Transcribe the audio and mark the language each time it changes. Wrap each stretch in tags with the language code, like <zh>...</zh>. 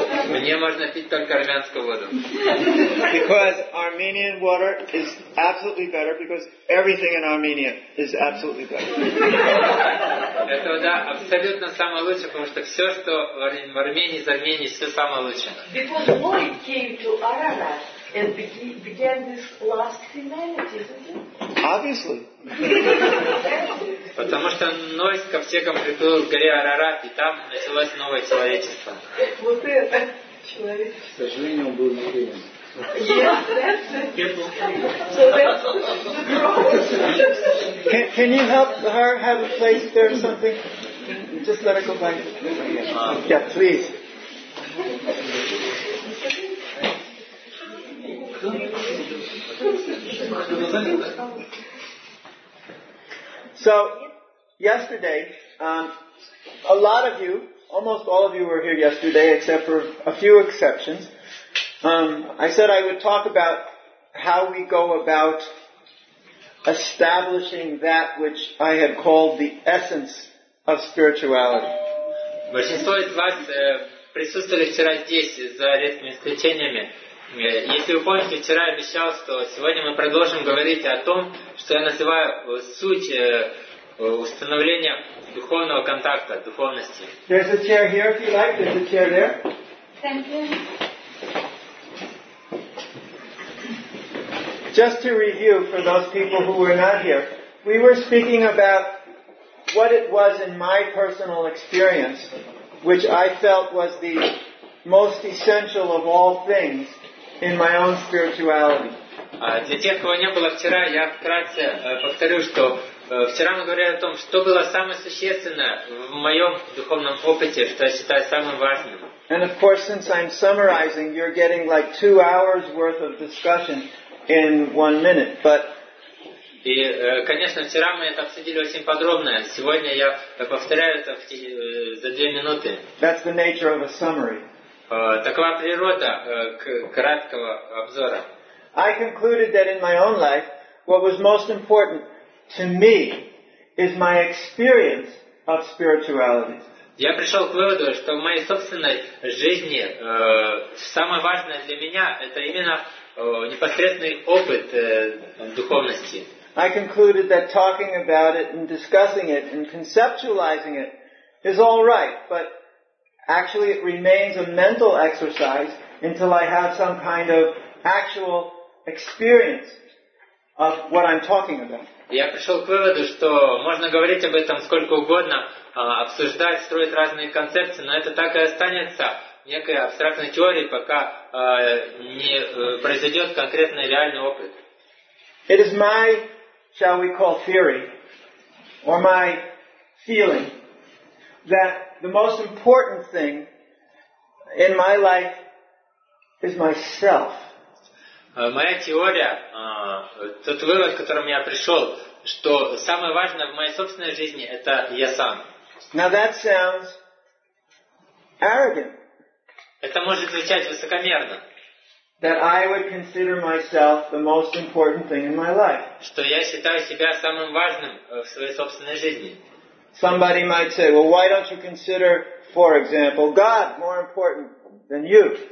<ru>Мне можно пить только армянскую воду.</ru> <en>Because Armenian water is absolutely better because everything in Armenia is absolutely better.</en> <ru>Это вода абсолютно самая лучшая, потому что всё, что в Армении, из Армении, всё самое лучшее.</ru> <en>Because Lloyd came to Ararat and began this last humanity, isn't it? Obviously.</en> <ru>Потому что Ной с ковчегом приплыл к горе Арарат, и там началось новое человечество. Вот это человечество. К сожалению, он был не принят.</ru> <en>Can you help her have a place there or something? Just let her go by. Yeah, please. So, yesterday, a lot of you, almost all of you were here yesterday, except for a few exceptions. I said I would talk about how we go about establishing that which I had called the essence of spirituality.</en> <ru>Большинство из вас присутствовали вчера здесь, за редкими исключениями. Если вы помните, вчера я обещал, что сегодня мы продолжим говорить о том, что я называю суть установления духовного контакта, духовности.</ru> <en>There's a chair here if you like, there's a chair there. Thank you. Just to review for those people who were not here, we were speaking about what it was in my personal experience, which I felt was the most essential of all things in my own spirituality.</en> <ru>Для тех, кого не было вчера, я вкратце повторю, что вчера мы говорили о том, что было самое существенное в моем духовном опыте, что я считаю самым важным.</ru> <en>And of course, since I'm summarizing, you're getting like 2 hours worth of discussion in 1 minute, but</en> <ru>и, конечно, вчера мы это обсудили очень подробно. Сегодня я повторяю это за 2 минуты.</ru> <en>That's the nature of a summary.</en> <ru>Такова природа краткого обзора.</ru> <en>I concluded that in my own life, what was most important to me is my experience of spirituality.</en> <ru>Я пришел к выводу, что в моей собственной жизни самое важное для меня это именно непосредственный опыт духовности.</ru> <en>I concluded that talking about it and discussing it and conceptualizing it is all right, but actually it remains a mental exercise until I have some kind of actual experience of what I'm talking about.</en> <ru>Я пришел к выводу, что можно говорить об этом сколько угодно, обсуждать, строить разные концепции, но это так и останется некой абстрактной теории, пока не произойдет конкретный реальный опыт.</ru> <en>It is my, shall we call, theory. or my feeling that the most important thing in my life is myself.</en> <ru>Моя теория, тот вывод, к которому я пришел, что самое важное в моей собственной жизни – это я сам.</ru> <en>Now that sounds arrogant.</en> <ru>Это может звучать высокомерно.</ru> <en>That I would consider myself the most important thing in my life.</en> <ru>Что я считаю себя самым важным в своей собственной жизни.</ru> <en>Somebody might say, well, why don't you consider, for example, God more important than you?</en>